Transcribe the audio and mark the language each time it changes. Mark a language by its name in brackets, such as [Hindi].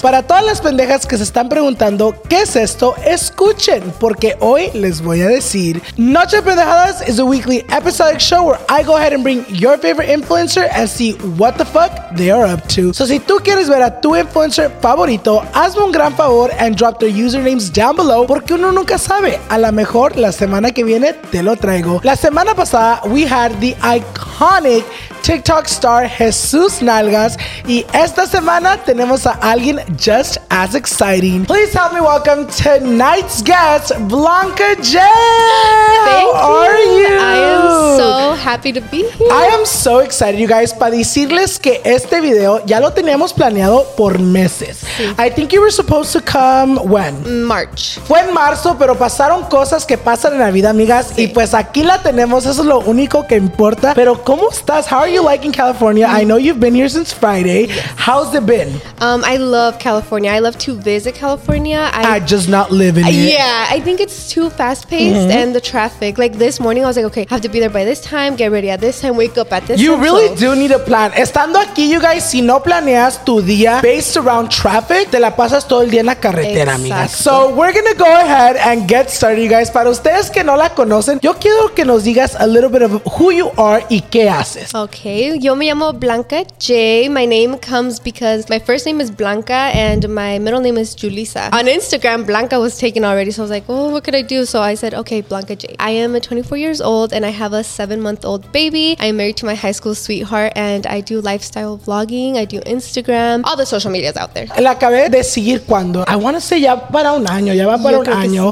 [Spanish] Para todas las pendejas que se están preguntando qué es esto, escuchen, porque hoy les voy a decir. [English] Noche de Pendejadas is a weekly episodic show where I go ahead and bring your favorite influencer and see what the fuck they are up to. [Spanish] So si tú quieres ver a tu influencer favorito, hazme un gran favor [English] and drop their usernames down below, [Spanish] porque uno nunca sabe. A lo mejor la semana que viene te lo traigo. La semana pasada, [English] we had the iconic TikTok star Jesus Nalgas. [Spanish] Y esta semana, tenemos a alguien [English] just as exciting. Please help me welcome tonight's guest, Blanca J. How are you? I am so happy to be here. I am so excited, you guys. [Spanish] Para decirles que este video ya lo teníamos planeado por meses. [English] Sí. I think you were supposed to come when? March. [Spanish] Fue en marzo, pero pasaron cosas que pasan en la vida, amigas. Sí. Y pues aquí la tenemos. Eso es lo único que importa. Pero ¿cómo estás? [English] How are you liking California? Mm-hmm. I know you've been here since Friday. Yes. How's it been? I love California. I love to visit California. I just not live in it. Yeah, I think it's too fast-paced and the traffic. Like this morning, I was like, okay, I have to be there by this time, get ready at this time, wake up at this time. You really do need a plan. [Spanish] Estando aquí, [English] you guys, [Spanish] si no planeas tu día [English] based around traffic, [Spanish] te la pasas todo el día en la carretera, [English] exactly, [Spanish] amigas. [English] So we're gonna go ahead and get started, you guys. [Spanish] Para ustedes que no la conocen, yo quiero que nos digas [English] a little bit of who you are [Spanish] y qué haces. Okay, yo me llamo Blanca J. [English] My name comes because my first name is Blanca and my middle name is Julissa. On Instagram, Blanca was taken already, so I was like, oh, what could I do? So I said, okay, Blanca J. I am 24 years old and I have a 7-month-old baby. I'm married to my high school sweetheart and I do lifestyle vlogging. I do Instagram, all the social medias out there. [Spanish] La acabé de seguir cuando. [English] I want to say [Spanish] ya para un año, ya va para un año.